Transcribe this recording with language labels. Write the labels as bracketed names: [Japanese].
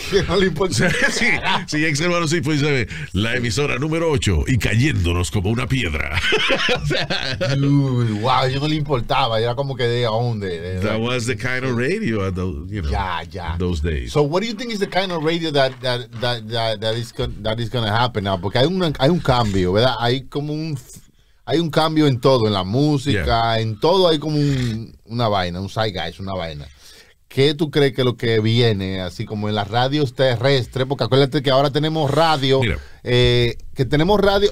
[Spanish] Sí, sí, XL 106.7, la emisora número 8 y cayéndonos como una piedra. Dude, wow, yo no le importaba. Era como que de a dónde. [English] That was the kind of radio at the, you know, those days. So what do you think is the kind of radio that is gonna happen now? [Spanish] Porque hay un cambio, ¿verdad? Hay como un, hay un cambio en todo, en la música, yeah, en todo hay como un, una vaina, un zeitgeist, una vaina. ¿Qué tú crees que lo que viene, así como en las radios terrestres? Porque acuérdate que ahora tenemos radio, que tenemos radio.